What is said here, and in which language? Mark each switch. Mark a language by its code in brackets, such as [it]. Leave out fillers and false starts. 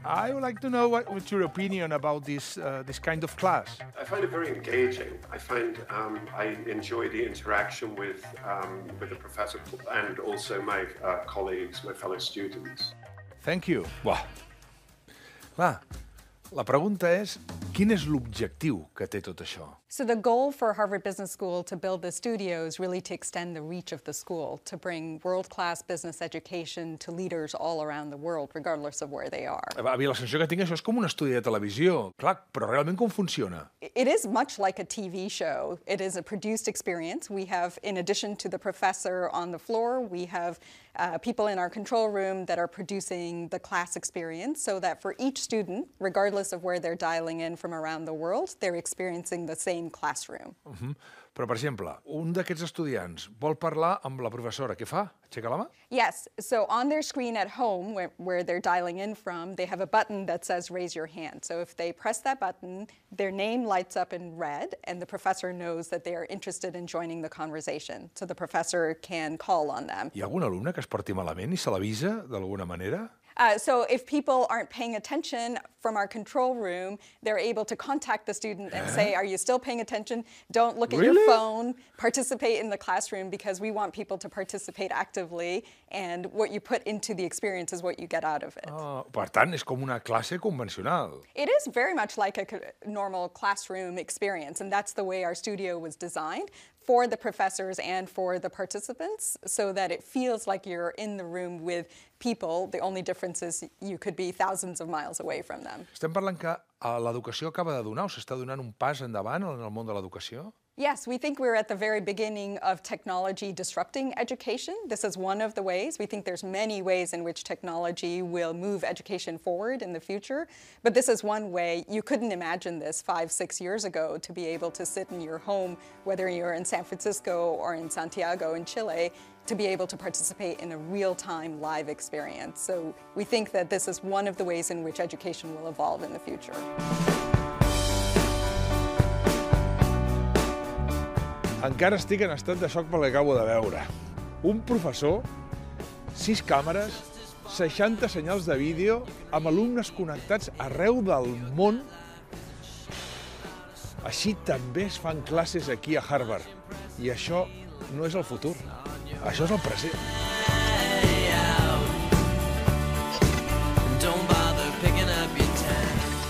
[en] I would like to know what's your opinion about this kind of class. I find it very engaging. I find I enjoy the interaction with the professor and also my colleagues, my fellow students. Thank you. [ca] Wow. Clar. La pregunta és, quin és l'objectiu que té tot això? [en] So the goal for Harvard Business School to build the studio is really to extend the reach of the school, to bring world-class business education to leaders all around the world, regardless of where they are. [ca] La sensació que tinc, això és com un estudi de televisió. Clar, però realment com funciona? [en] It is much like a TV show. It is a produced experience. We have, in addition to the professor on the floor, we have people in our control room that are producing the class experience so that for each student, regardless of where they're dialing in from around the world, they're experiencing the same same classroom. Mm-hmm. [ca] Però, per exemple, un d'aquests estudiants vol parlar amb la professora. Què fa? Aixeca la mà? [en] Yes. So on their screen at home, where they're dialing in from, they have a button that says raise your hand. So if they press that button, their name lights up in red, and the professor knows that they are interested in joining the conversation. So the professor can call on them. [ca] Hi ha algun alumne que es porti malament i se l'avisa d'alguna manera? [en] So if people aren't paying attention from our control room, they're able to contact the student and say, are you still paying attention? Don't look at your phone. Participate in the classroom because we want people to participate actively. And what you put into the experience is what you get out of it. [ca] Per tant, és com una classe convencional. [en] It is very much like a normal classroom experience. And that's the way our studio was designed for the professors and for the participants so that it feels like you're in the room with people. The only difference is you could be thousands of miles away from them. [ca] Estem parlant que l'educació acaba de donar o s'està donant un pas endavant en el món de l'educació? [en] Yes, we think we're at the very beginning of technology disrupting education. This is one of the ways. We think there's many ways in which technology will move education forward in the future. But this is one way. You couldn't imagine this 5-6 years ago to be able to sit in your home, whether you're in San Francisco or in Santiago in Chile, to be able to participate in a real-time live experience. So we think that this is one of the ways in which education will evolve in the future. [ca] Encara estic en estat de xoc pel que acabo de veure. Un professor, 6 càmeres, 60 senyals de vídeo, amb alumnes connectats arreu del món. Així també es fan classes aquí a Harvard. I això no és el futur, això és el present.